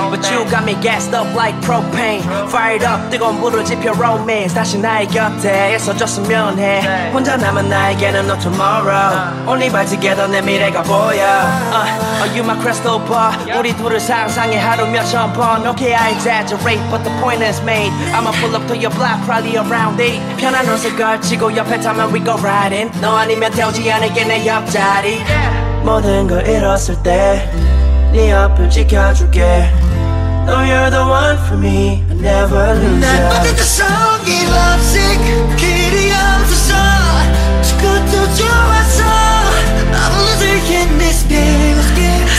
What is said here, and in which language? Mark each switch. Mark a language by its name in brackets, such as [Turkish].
[English] But you got me gassed up like propane. Fired up, [Korean] 뜨거운 물을 지펴 romance. 다시 나의 곁에 있어줬으면 해. 혼자 남은 나에게는 [English] no tomorrow. Only by together [Korean] 내 미래가 보여. [English] Are you my crystal ball? [Korean] 우리 둘을 상상해 하루 몇천 번. [English] Okay, I exaggerate, but the point is made. I'ma pull up to your block, probably around 8. [Korean] 편한 옷을 걸치고 옆에 타면 [English] we go riding. [Korean] 너 아니면 태우지 않을게 내 옆자리. 모든 걸 잃었을 때 네 옆을 지켜줄게. [English] No, you're the one for me. I never lose you. [Korean] 날 빠뜨린 성이 lovesick. 길이 없어서 죽어도 좋아서 [English] I'm losing in this game.